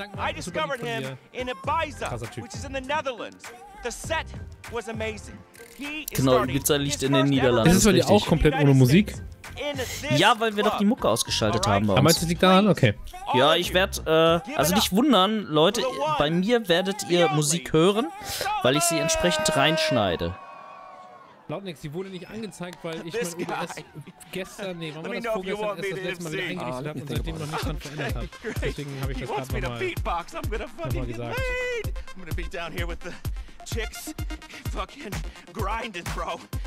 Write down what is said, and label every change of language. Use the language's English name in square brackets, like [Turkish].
[English] I discovered him in Ibiza, which is in the Netherlands. The set was amazing. [German] Genau, Ibiza liegt in den Niederlanden. Ist es bei dir auch komplett ohne Musik? Ja, weil wir doch die Mucke ausgeschaltet haben bei uns. Meinst du, liegt daran? Okay. Ja, ich werde, also nicht wundern, Leute, bei mir werdet ihr Musik hören, weil ich sie entsprechend reinschneide. Laut nix, sie wurde nicht angezeigt, weil ich mein UBS gestern, nee, wann war das vorgestern, erst das letzte Mal wieder eingerichtet habe und seitdem noch nicht dran verändert habe. Deswegen habe ich das gerade nochmal gesagt. [English] I'm gonna be down here with the chicks fucking grinding, bro.